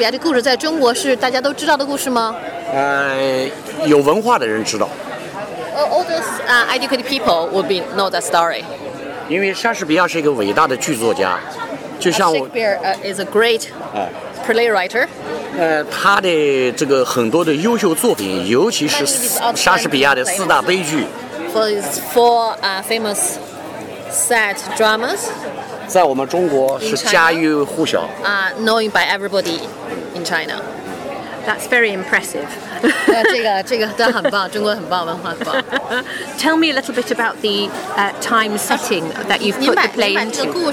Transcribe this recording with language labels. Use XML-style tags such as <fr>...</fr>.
<zh>这个故事在中国是大家都知道的故事吗? 有文化的人知道。</zh> <en>All those educated people would be know that story.</en> <zh>因为莎士比亚是一个伟大的剧作家。</zh> <en>Shakespeare is a great play writer.</en> <zh>他的这个很多的优秀作品, 尤其是莎士比亚的四大悲剧。</zh> <en>For his four famous sad dramas.</en> <zh>在我们中国是家喻户晓。</zh> <en>Known by everybody in China. That's very impressive.</en> <zh>这个很棒，中国很棒，文化很棒。</zh> <en>Tell me a little bit about the time setting that you've put the play into.</en>